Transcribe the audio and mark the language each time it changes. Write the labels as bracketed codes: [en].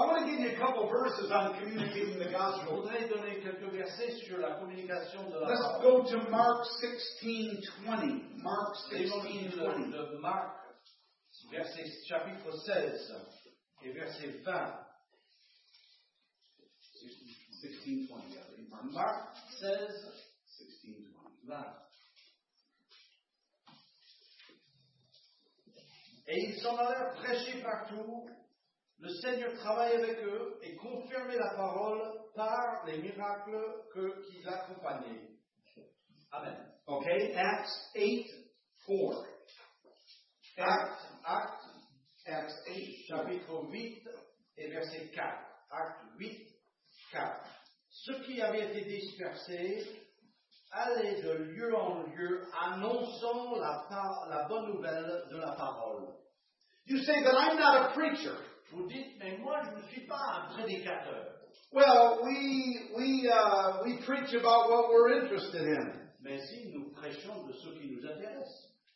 [en] I want to give you a couple of verses on communicating the gospel. [fr] Je voudrais donner quelques versets sur la communication de la [en] Let's [fr] parole. [en] Go to Mark 16, 20. Mark 16, 20. [fr] Mark, verset, chapitre 16 et verset 20. [en] 16:20. Yeah, Mark says 16:20. [fr] Et ils s'en allèrent prêcher partout. Le Seigneur travaille avec eux et confirmait la parole par les miracles qu'ils accompagnaient. Amen. [en] Okay. Acts 8:4. Acts 8, [fr] chapitre 8 et verset 4. [en] Acts 8, 4. [fr] Ceux qui avaient été dispersés allaient de lieu en lieu annonçant la bonne nouvelle de la parole. [en] You say that I'm not a preacher. [fr] Vous dites, mais moi je ne suis pas un prédicateur. [en] Well, we preach about what we're interested in. [fr] Mais si nous prêchons de ce qui nous intéresse.